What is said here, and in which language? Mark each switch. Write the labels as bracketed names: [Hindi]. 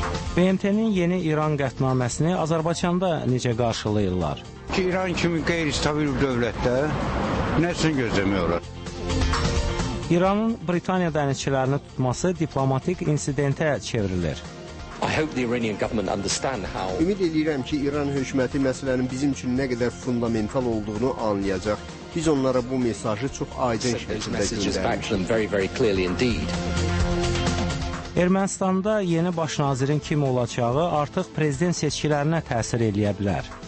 [Azerbaijani] BMT-nin yeni İran qətnaməsini Azərbaycanda necə qarşılayırlar? İran kimi qeyri-stabil bir dövlətdə nəsini gözləmiyorlar? İranın Britaniya dənizçilərini tutması diplomatik insidentə çevrilir. [English] I hope the Iranian government understand how. [Azerbaijani] Ümid edirəm ki, İran hökuməti məsələnin bizim üçün nə qədər fundamental olduğunu anlayacaq. Biz onlara bu mesajı çox aydın şəkildə göndərmişik. Ermənistanda yeni baş nazirin kim olacağı artıq prezident seçkilərinə təsir eləyə bilər.